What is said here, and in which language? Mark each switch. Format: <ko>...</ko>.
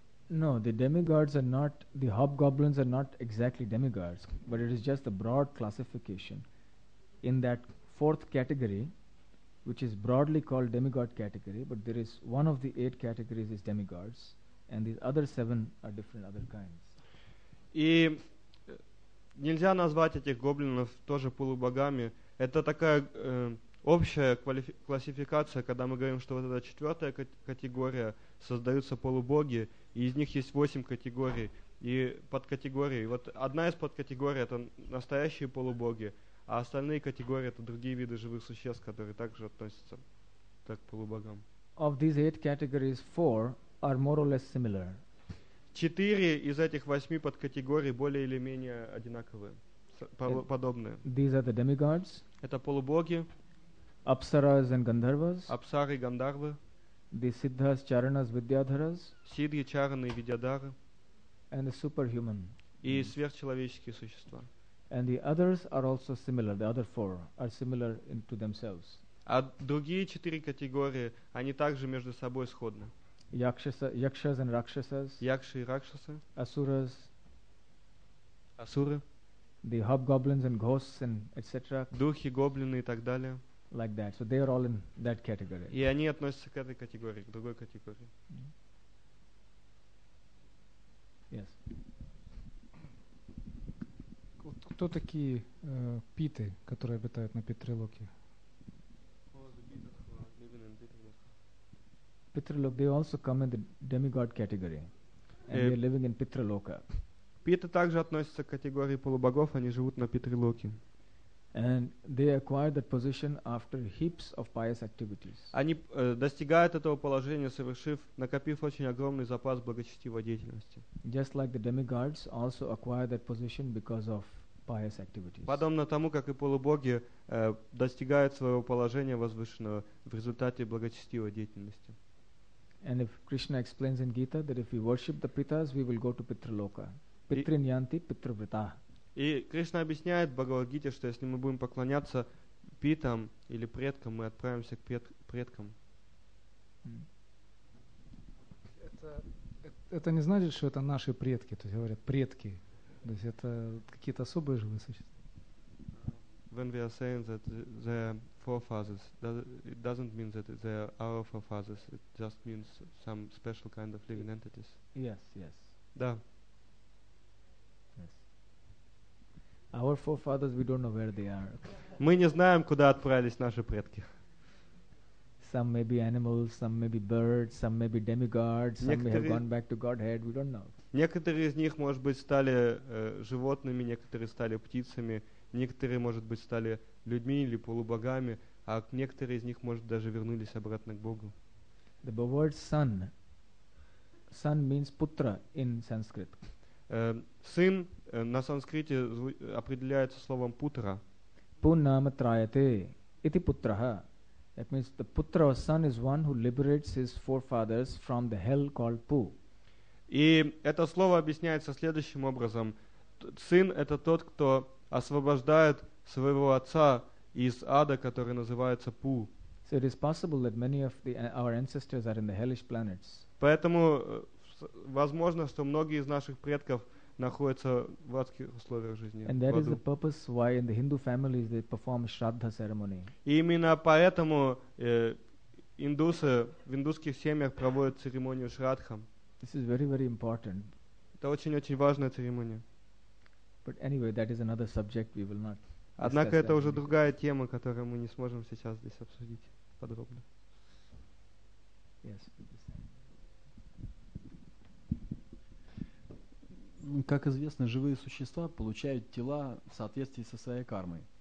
<en>No, the demigods are not, the hobgoblins are not exactly demigods, but it is just a broad classification. In that fourth category, which is broadly called demigod category, but there is one of the eight categories is demigods, and these other seven are different other kinds.</en> <ru>И нельзя назвать этих гоблинов тоже полубогами. Это такая общая классификация, когда мы говорим, что вот эта четвертая категория создаются полубоги, и из них есть восемь категорий и подкатегории. Вот одна из подкатегорий — это настоящие полубоги. А остальные категории — это другие виды живых существ, которые также относятся так к полубогам.</ru> <en>Of these eight categories, four are more or less similar.</en> <ru>Четыре из этих восьми подкатегорий более или менее одинаковые, подобные.</ru> <en>These are the demigods.</en> <ru>Это полубоги.</ru> <en>Apsaras and Gandharvas.</en> <ru>Апсары и Гандарвы.</ru> <en>The Siddhas, Charanas, Vidyadharas.</en> <ru>Сидхи, Чараны и Видьядхары.</ru> <en>And the superhuman.</en> <ru>И сверхчеловеческие существа.</ru> <en>And the others are also similar. The other four are similar in to themselves.</en> <ru>А другие четыре категории, они также между собой сходны.</ru> <en>Yakshas and Rakshasas.</en> <ru>Якши и Ракшасы.</ru> <en>Asuras.</en> <ru>Асуры.</ru> <en>The hobgoblins and ghosts and etc.</en> <ru>Духи, гоблины и так далее.</ru> <en>Like that. So they are all in that category.</en> <ru>И они относятся к этой категории, к другой категории.</ru> <en>Mm-hmm. Yes.</en> <ru>Кто такие питы, которые обитают на Питрилоке?</ru> <en>Питрилок, they also come in the demigod category, and they're living in Питрилока.</en> <ru>Питы также относятся к категории полубогов, они живут на Питрилоке.</ru> <en>And they acquire that position after heaps of pious activities.</en> <ru>Они достигают этого положения, совершив, накопив очень огромный запас благочестивой деятельности.</ru> <en>Just like the demigods also acquire that position because of pious activities.</en> <ru>Подобно тому, как и полубоги достигают своего положения возвышенного в результате благочестивой деятельности.</ru> <en>And if Krishna explains in Gita that if we worship the Pitas, we will go to Pitraloka.</en> <sa>Pitrinyanti Pitravrita.</sa> <ru>И Кришна объясняет в Бхагавад-гите, что если мы будем поклоняться питам или предкам, мы отправимся к предкам. Это не значит, что это наши предки, то есть говорят предки. То есть это какие-то особые живые существа.</ru> <en>When we are saying that the forefathers, it doesn't mean that they are our forefathers, it just means some special kind of living entities. Yes, yes.</en> <ru>Да.</ru> <en>Our forefathers, we don't know where they are.</en> <ru>Мы не знаем, куда отправились наши предки.</ru> <en>Some may be animals, some may be birds, some may be demigods, some may have gone back to Godhead, we don't know.</en> <ru>Некоторые из них, может быть, стали животными, некоторые стали птицами, некоторые, может быть, стали людьми или полубогами, а некоторые из них, может, даже вернулись обратно к Богу.</ru> <en>The word son. Son means putra in Sanskrit.</en> <ru>Сын на санскрите определяется словом путра.</ru> <sa>Пунама траяте ити путраха.</sa> <en>That means the putra or son is one who liberates his forefathers from the hell called pu.</en> <ru>И это слово объясняется следующим образом. Сын — это тот, кто освобождает своего отца из ада, который называется Пу.</ru> <en>So it is possible that many of the, our ancestors are in the hellish planets.</en> <ru>Поэтому возможно, что многие из наших предков находятся в адских условиях жизни.</ru> <en>And that is the purpose why in the Hindu families they perform Shraddha ceremony.</en> <ru>И именно поэтому индусы в индусских семьях проводят церемонию Шрадхам.</ru> <en>This is very, very important.</en> <ru>Это очень-очень важная церемония.</ru> <en>But anyway, that is another subject we will not.</en> <ru>Однако это уже другая тема, которую мы не сможем сейчас здесь обсудить подробно.</ru> <en>Yes.</en> <ru>Как известно, живые существа получают тела в соответствии со своей кармой.</ru>